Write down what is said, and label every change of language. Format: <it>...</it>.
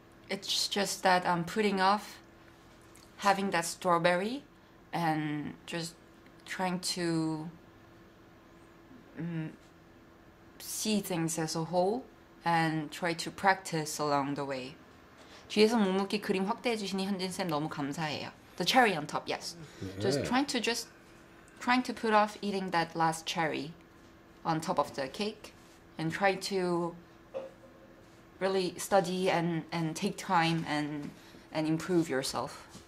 <en>It's just that I'm putting off having that strawberry and just trying to see things as a whole and try to practice along the way.</en> <ko>뒤에서 묵묵히 그림 확대해 주시니 현진 쌤 너무 감사해요.</ko> <en>The cherry on top, yes. Just trying to put off eating that last cherry on top of the cake and try to really study and take time and improve yourself.</en>